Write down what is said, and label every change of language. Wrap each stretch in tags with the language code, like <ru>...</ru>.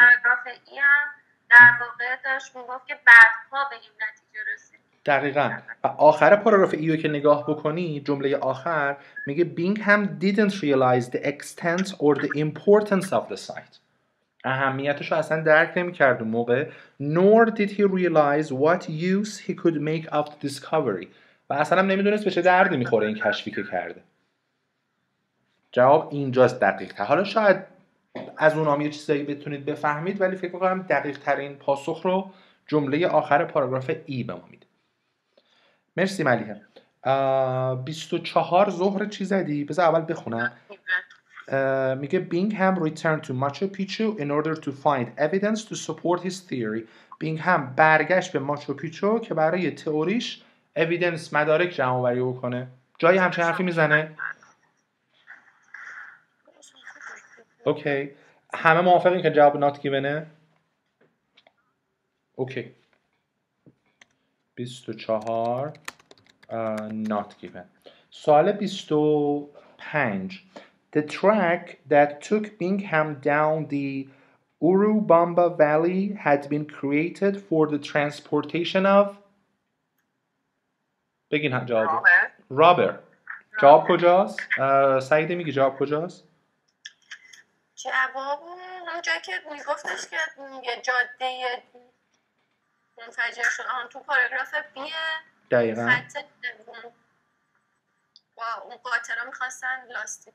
<fa>پاراگراف ای هم در واقع داشت میگفت که بعدها به این نتیجه رسید. دقیقا. و آخر پاراگراف ای رو که نگاه بکنی جمله آخر میگه</fa> <en>Bingham didn't realize the extent or the importance of the site.</en> <fa>اهمیتش رو اصلا درک نمی کرد اون موقع.</fa> <en>Nor did he realize what use he could make of the discovery.</en> <fa>و اصلا هم نمیدونست به چه دردی میخوره این کشفی که کرده. جواب اینجاست دقیق تر. حالا شاید از اونام یه چیزایی بتونید بفهمید، ولی فکر میکنم دقیق ترین پاسخ رو جمله آخر پاراگراف ای به ما میده. مرسی ملیه. 24 ظهر چی زدی؟ بذار اول بخونم. میگه</fa> <en>Bingham returned to Machu Picchu in order to find evidence to support his theory.</en> <fa>Bingham برگشت به Machu Picchu که برای تئوریش اویدنس مدارک جمع آوری بکنه. جایی همچین حرفی میزنه؟ اوکی همه موافقین که جواب نات گیونه؟ اوکی 24 نات گیون. سوال 25.</fa> <en>The track that took Bingham down the Urubamba Valley had been created for the transportation of.</en> <fa>بگین هم جواب رابر. جواب کجاست؟ سعیده میگی جواب کجاست؟ جواب اونجا که میگفتش که جاده منفجر شد آن تو پاراگراف بیه. دقیقا اون قاطر ها میخواستن لاستیک</fa>